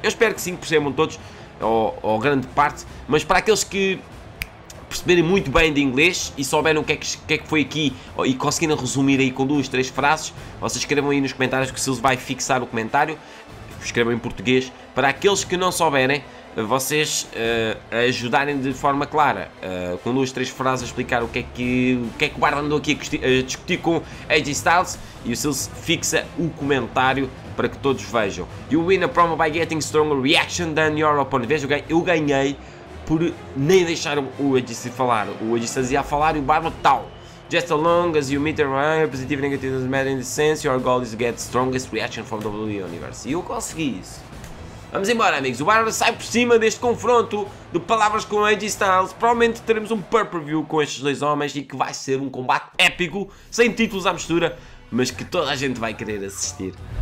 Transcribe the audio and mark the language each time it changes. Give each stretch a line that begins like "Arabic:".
Portuguese: Eu espero que sim, que percebam todos, ou grande parte, mas para aqueles que perceberem muito bem de inglês e souberam o que é que foi aqui e conseguindo resumir aí com 2-3 frases, vocês escrevam aí nos comentários que o Silvio vai fixar o comentário, escrevam em português, para aqueles que não souberem, vocês ajudarem de forma clara, com 2-3 frases a explicar o que é que o Bárbaro andou aqui a discutir com AJ Styles, e o Silvio fixa o comentário para que todos vejam.
English: You win a promo by getting stronger reaction than your opponent.
Portuguese: Veja, eu ganhei por nem deixar o Edson falar. O Edson ia falar e o Bárbaro tal.
English: Just as long as you meet around, positive and negative doesn't matter in the sense, your goal is to get the strongest reaction from the WWE Universe.
Portuguese: E eu consegui isso. Vamos embora, amigos. O Bárbaro sai por cima deste confronto de palavras com o Edson Styles. Provavelmente teremos um pay-per-view com estes dois homens e que vai ser um combate épico, sem títulos à mistura, mas que toda a gente vai querer assistir.